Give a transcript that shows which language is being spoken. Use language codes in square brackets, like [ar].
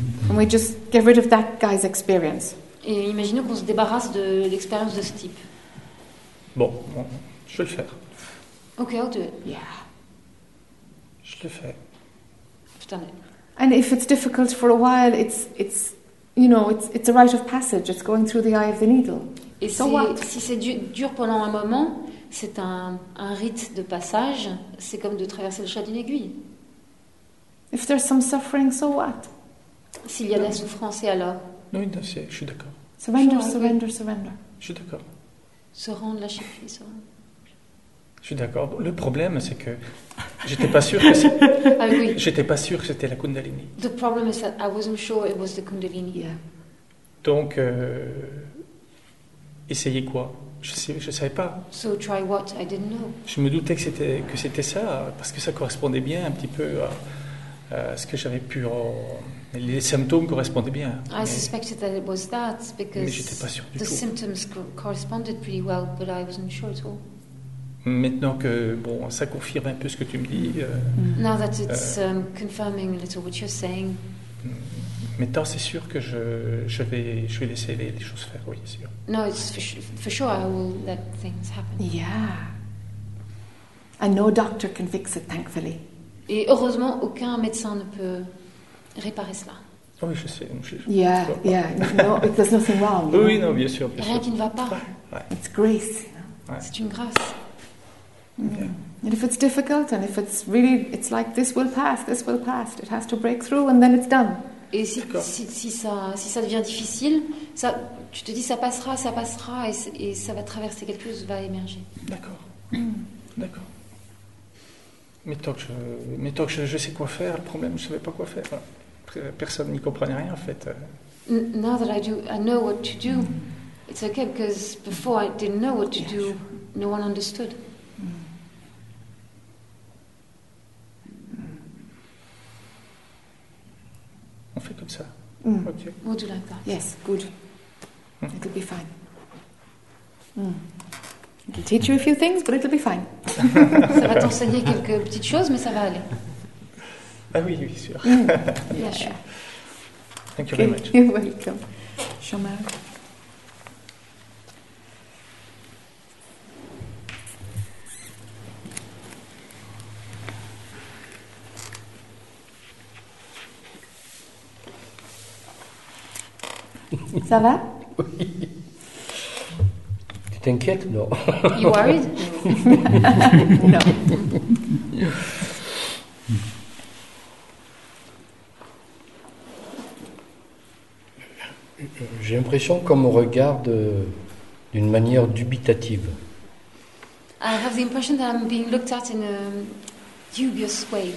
[en] And we just get rid of that guy's experience. [fr] Et imaginons qu'on se débarrasse de l'expérience de ce type. Bon, je vais le faire. [en] Okay, I'll do it. Yeah. [fr] Je le fais. [en] I've done it. And if it's difficult for a while, it's you know, it's a rite of passage. It's going through the eye of the needle. [fr] Et [en] so what? [fr] Si c'est dur pendant un moment, c'est un rite de passage. C'est comme de traverser le chat d'une aiguille. [en] If there's some suffering, so what? [fr] S'il y a de la souffrance, et alors? Non, non, je suis d'accord. [en] Surrender, sure, surrender, okay. Surrender. [fr] Je suis d'accord. Se rendre, lâcher prise, se rendre. Je suis d'accord. Le problème, c'est que j'étais pas sûr que c'était. Ah oui. J'étais pas sûr que c'était la Kundalini. [en] The problem is that I wasn't sure it was the Kundalini. Yeah. [fr] Donc, essayez quoi? Je savais pas. [en] So try what? I didn't know. [fr] Je me doutais que c'était ça parce que ça correspondait bien un petit peu à ce que j'avais pu. Les symptômes correspondaient bien. I suspected that it was that because. Mais j'étais pas sûr du tout. [en] The symptoms corresponded pretty well, but I wasn't sure at all. [fr] Maintenant que bon, ça confirme un peu ce que tu me dis. [en] Now that it's confirming a little what you're saying. [fr] Maintenant, c'est sûr que je vais laisser les choses faire, oui, c'est sûr. [en] No, it's for sure I will let things happen. Yeah. And no doctor can fix it, thankfully. [fr] Et heureusement, aucun médecin ne peut réparer cela. Oui, je sais. [en] No, there's nothing wrong. [fr] Oui, non, bien sûr. Rien qui ne va pas. Ouais. [en] It's grace. [fr] Ouais. C'est une grâce. [en] Yeah. Mm-hmm. And if it's difficult, and if it's really, it's like, this will pass, it has to break through, and then it's done. [fr] Et si ça devient difficile, ça, tu te dis, ça passera, et ça va traverser, quelque chose va émerger. D'accord, d'accord. Mais tant que je sais quoi faire, le problème, je ne savais pas quoi faire. Personne n'y comprenait rien, en fait. [en] Now that I know what to do, it's okay, because before I didn't know what to do, no one understood. [fr] On fait comme ça. [en] Okay. We'll do like that. Yes, good. It'll be fine. It can teach you a few things, but it'll be fine. [fr] Ça va t'enseigner quelques petites choses, mais ça va aller. Ah oui, oui, sûr. Bien sûr. [en] Thank you very much. You're welcome. Jean-Marc. [fr] Ça va? Oui. Tu t'inquiètes? Non. [en] You worried? No. [fr] J'ai l'impression qu'on me regarde d'une manière dubitative. [en] I have the impression that I'm being looked at in a dubious way.